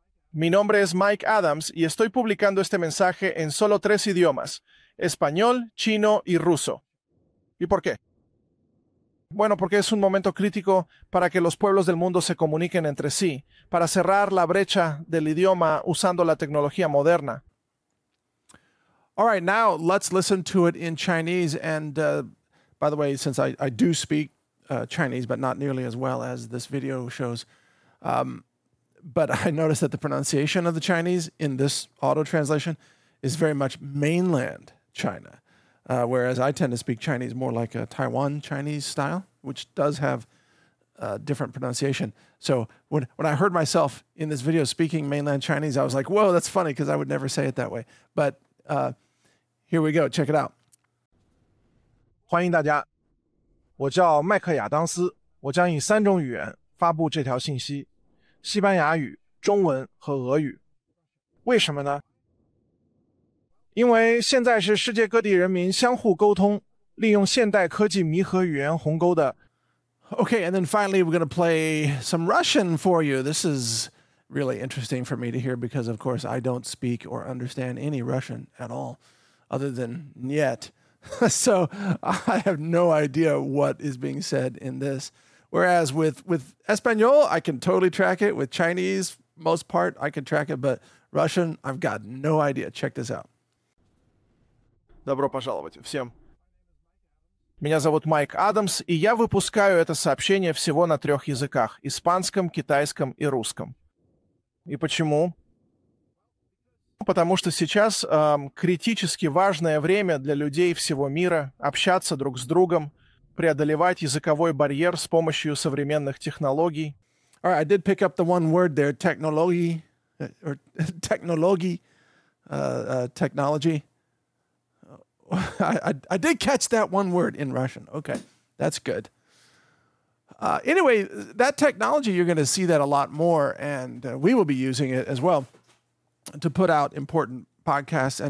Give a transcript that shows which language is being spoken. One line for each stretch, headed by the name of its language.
Spanish: Mi nombre es Mike Adams y estoy publicando este mensaje en solo tres idiomas, español, chino y ruso. ¿Y por qué? Bueno, porque es un momento crítico para que los pueblos del mundo se comuniquen entre sí, para cerrar la brecha del idioma usando la tecnología moderna.
English: All right, now let's listen to it in Chinese. And by the way, since I do speak Chinese, but not nearly as well as this video shows. But I noticed that the pronunciation of the Chinese in this auto translation is very much mainland China, whereas I tend to speak Chinese more like a Taiwan Chinese style, which does have a different pronunciation. So when I heard myself in this video speaking mainland Chinese, I was like, whoa, that's funny, because I would never say it that way. But here we go. Check it out.
Chinese: 欢迎大家。我叫麦克亚当斯，我将以三种语言发布这条信息：西班牙语、中文和俄语。为什么呢？因为现在是世界各地人民相互沟通，利用现代科技弥合语言鸿沟的。Okay,
English: and then finally we're going to play some Russian for you. This is really interesting for me to hear because, of course, I don't speak or understand any Russian at all, other than yet. So I have no idea what is being said in this. Whereas with Espanol, I can totally track it. With Chinese, most part, I can track it. But Russian, I've got no idea. Check this out.
Russian: Добро пожаловать всем. Меня зовут Майк Адамс, и я выпускаю это сообщение всего на трех языках – испанском, китайском и русском. И почему? Потому что сейчас критически важное время для людей всего мира общаться друг с другом, преодолевать языковой барьер с помощью современных технологий.
English: All right, I did pick up the one word there, technology, or technology, technology. I did catch that one word in Russian. Okay, that's good. Anyway, that technology, you're going to see that a lot more, and we will be using it as well to put out important podcasts.